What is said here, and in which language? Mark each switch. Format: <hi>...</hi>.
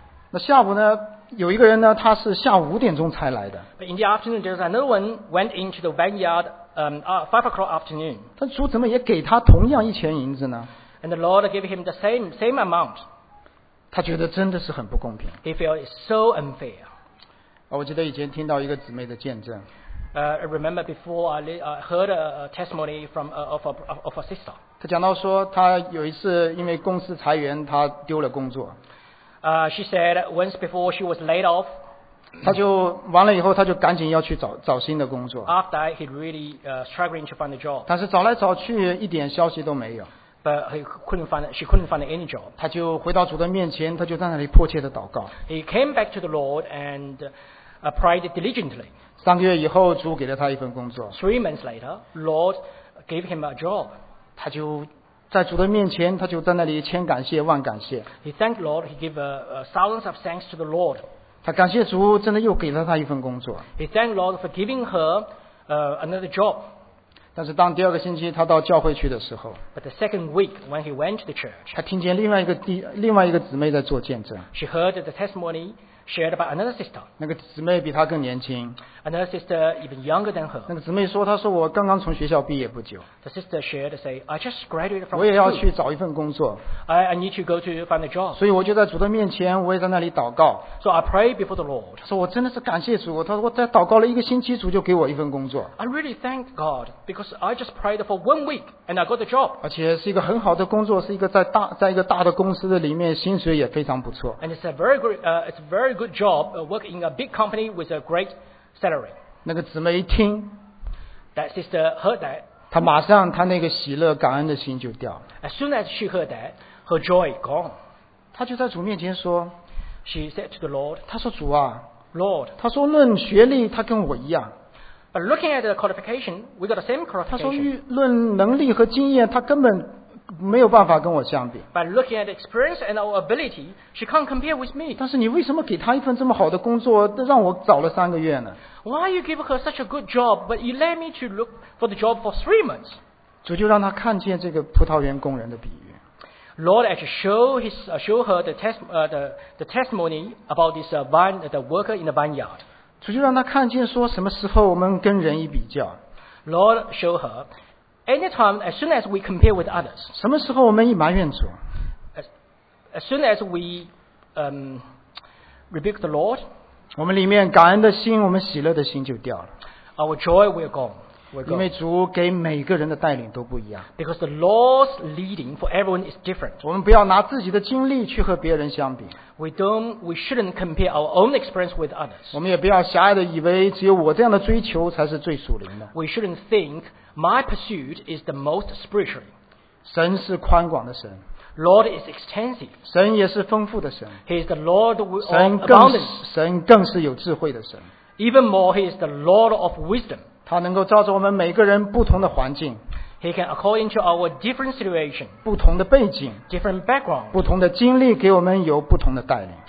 <zh>那下午呢有一个人呢他是下午五点钟才来的</zh> <en>But in the afternoon there's another one went into the vineyard5 o'clock afternoon</en> <zh>他主怎么也给他同样一千银子呢</zh> <en>And the Lord gave him the same amount</en> <zh>他觉得真的是很不公平。</zh> <en>He felt it's so unfair.</en> <zh>我记得以前听到一个姊妹的见证。</zh> <en>I remember before I heard a testimony from of a sister.</en> <zh>她讲到说，她有一次因为公司裁员，她丢了工作。</zh> <en>She said once before she was laid off.</en> <zh>她就完了以后，她就赶紧要去找新的工作。</zh> <en>After that, he really struggling to find a job.</en> <zh>但是找来找去，一点消息都没有。</zh> <en>But she couldn't find any job.</en> <zh>他就回到主的面前，他就在那里迫切的祷告。</zh> <en>He came back to the Lord and prayed diligently.</en> <zh>三个月以后，主给了他一份工作。</zh> <en>Three months later, Lord gave him a job.</en> <zh>他就在主的面前，他就在那里千感谢万感谢。</zh> <en>He thanked Lord. He gave thousands of thanks to the Lord.</en> <zh>他感谢主，真的又给了他一份工作。</zh> <en>He thanked Lord for giving her another job.</en> <zh>但是当第二个星期他到教会去的时候</zh> <en>But the second week when he went to the church</en> <zh>他听见另外一个姊妹在做见证</zh> <en>She heard the testimony shared by another sister</en> <zh>那个姊妹比他更年轻</zh> <en>Another sister even younger than her</en> <zh>那个姊妹说她说我刚刚从学校毕业不久</zh> <en>The sister shared say I just graduated from</en> <zh>我也要去找一份工作</zh> <en>I need to go to find a job</en> <zh>所以我就在主的面前我也在那里祷告</zh> <en>So I pray before the Lord</en> <zh>说我真的是感谢主她说我在祷告了一个星期主就给我一份工作</zh> <en>I really thank God because I just prayed for one week and I got a job</en> <zh>而且是一个很好的工作是一个在一个大的公司的里面薪水也非常不错</zh> <en>And it's a very good good job work in a big company with a great salary</en> <zh>那个姊妹一听</zh> <en>that sister heard that</en> <zh>她马上她那个喜乐感恩的心就掉</zh> <en>as soon as she heard that her joy gone</en> <zh>她就在主面前说</zh> <en>she said to the Lord</en> <zh>她说主啊</zh> <en>Lord</en> <zh>她说论学历她跟我一样</zh> <en>but looking at the qualification we got the same qualification</en> <zh>她说论能力和经验她根本没有办法跟我相比。</zh> <en>By looking at experience and our ability, she can't compare with me.</en> <zh>但是你为什么给她一份这么好的工作，让我找了三个月呢</zh> <en>？Why you give her such a good job, but you let me to look for the job for 3 months?</en> <zh>主就让她看见这个葡萄园工人的比喻。</zh> <en>Lord actually show her the testimony about this vine the worker in the vineyard.</en> <zh>主就让她看见说什么时候我们跟人一比较。</zh> <en>Lord show her. Anytime, as soon as we compare with others,</en> <zh>什么时候我们一埋怨主</zh> <en>as soon as we rebuke the Lord,</en> <zh>我们里面感恩的心，我们喜乐的心就掉了</zh> <en>Our joy will gone.</en> <zh>因为主给每个人的带领都不一样。</zh> <en>Because the Lord's leading for everyone is different.</en> <zh>我们不要拿自己的经历去和别人相比。</zh> <en>We shouldn't compare our own experience with others.</en> <zh>我们也不要狭隘的以为只有我这样的追求才是最属灵的。</zh> <en>We shouldn't think my pursuit is the most spiritual.</en> <zh>神是宽广的神。</zh> <en>Lord is extensive.</en> <zh>神也是丰富的神。</zh> <en>He is the Lord of abundance.</en> <zh>神更是有智慧的神。</zh> <en>Even more, He is the Lord of wisdom.</en> <zh>他能够照着我们每个人不同的环境。</zh> <en>He can according to our different situation.</en> <zh>不同的背景。</zh> <en>Different background.</en> <zh>不同的经历给我们有不同的带领。</zh>